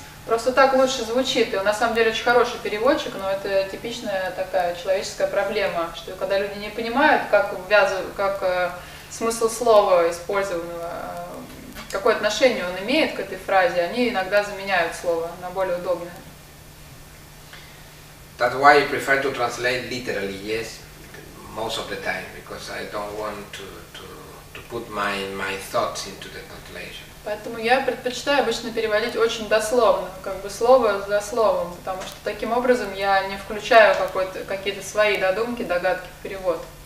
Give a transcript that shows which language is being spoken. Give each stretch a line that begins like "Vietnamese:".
Russian: Просто так лучше звучит, и он на самом деле очень хороший переводчик, но это типичная такая человеческая проблема, что когда люди не понимают, как смысл слова использованного, какое отношение он имеет к этой фразе, они иногда заменяют слово на более удобное.
English: That's why I prefer to translate literally, yes, most of the time, because I don't want to put my thoughts into the translation.
Russian: Поэтому я предпочитаю обычно переводить очень дословно, как бы слово за словом, потому что таким образом я не включаю какие-то свои додумки, догадки в перевод.